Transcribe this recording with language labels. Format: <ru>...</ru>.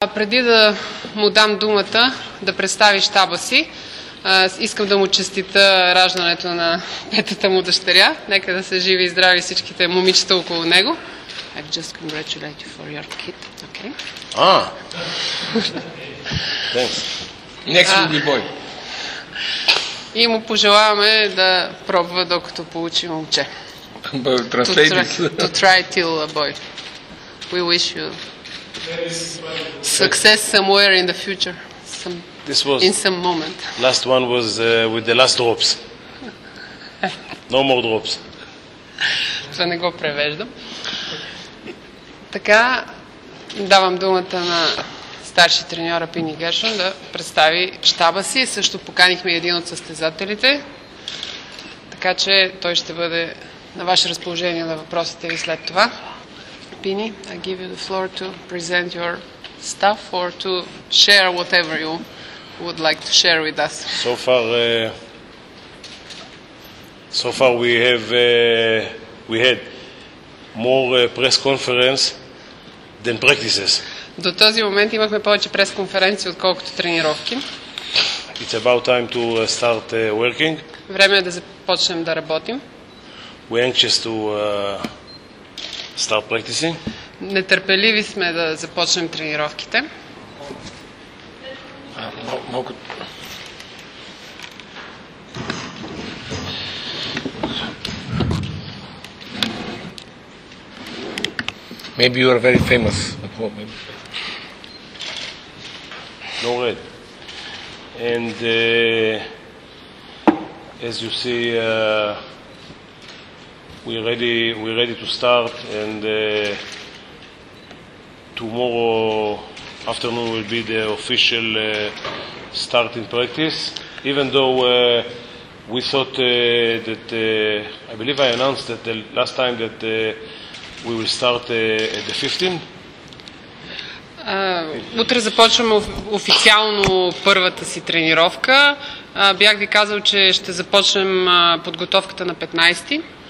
<bg>Преди да му дам думата да представи щаба си, искам да му честита раждането на петата му дъщеря. Нека да се живи и здрави всичките момичета около него.</bg> <en>I've just congratulated you for your kid. Okay. Thanks. Next will be boy.</en> <bg>И му пожелаваме да пробва докато получи момче.</bg> <en>To try till a boy. We wish you success somewhere in the future. In some moment. Last one was with the last drops. No more drops.</en> <bg>Това не го превеждам. Така, давам думата на старши треньора Пини Гершон да представи щаба си. Също поканихме един от състезателите. Така че той ще бъде на ваше разположение на въпросите ви след това.</bg> <en>Пини, I give you the floor to present your staff or to share whatever you would like to share with us. So far we had more press conference than practices.</en> <bg>До този момент имахме повече прес конференции отколкото тренировки.</bg> <en>It's about time to start working.</en> <bg>Време е да започнем да работим.</bg> <en>We're anxious to start practicing.</en> <bg>Нетърпеливи сме да започнем тренировките.</bg> <en>Maybe you are very famous. No red. And as you see, we're ready to start, and tomorrow afternoon will be the official start in practice. Even though we thought that I believe I announced that the last time that we will start at the 15.</en> <bg>Утре започваме официално първата си тренировка. Бях ви казал, че ще започнем подготовката на 15-ти.</bg>